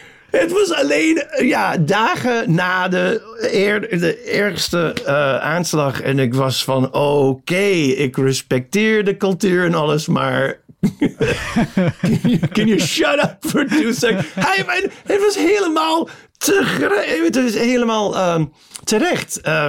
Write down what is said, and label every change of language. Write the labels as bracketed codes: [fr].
[nl] Het was alleen dagen na de ergste aanslag. En ik was van, ik respecteer de cultuur en alles, maar... [en] can you shut up for 2 seconds? [nl] Het was helemaal te het is helemaal terecht.